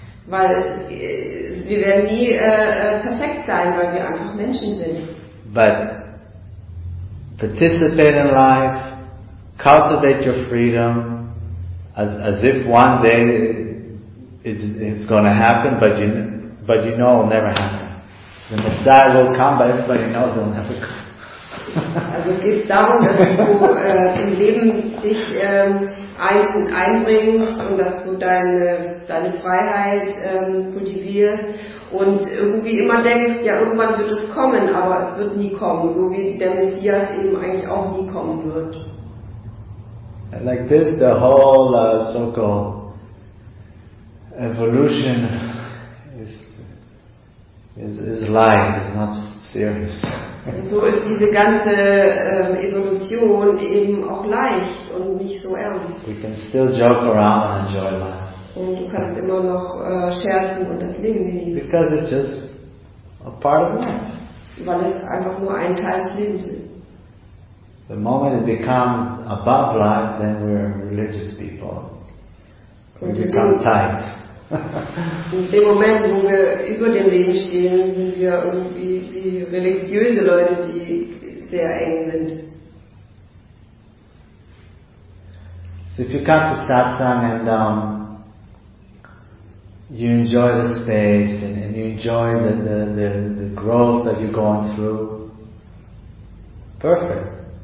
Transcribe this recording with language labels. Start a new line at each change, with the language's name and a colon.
German: Weil wir werden nie perfekt sein, weil wir einfach Menschen sind.
English: But participate in life, cultivate your freedom, as if one day it's going to happen, but you know it'll never happen. The Messiah will come, but everybody knows it'll never come.
German: Also es geht darum, dass du im Leben dich einbringst und dass du deine Freiheit kultivierst und irgendwie immer denkst, ja, irgendwann wird es kommen, aber es wird nie kommen, so wie der Messias eben eigentlich auch nie kommen wird.
English: And like this, the whole so-called evolution is life, it's not serious.
German: So ist diese ganze Evolution eben auch leicht und nicht so ernst.
English: We can still joke around and enjoy life.
German: Und du kannst immer noch scherzen und das Leben genießen.
English: Because it's just a part of life.
German: Weil es einfach nur ein Teil des Lebens ist.
English: The moment it becomes above life, then we're religious people. We become tight.
German: In dem Moment, wo wir über dem Leben stehen, sind wir irgendwie wie religiöse Leute, die sehr eng sind.
English: So if you come to satsang and you enjoy the space and you enjoy the growth that you're going through, perfect.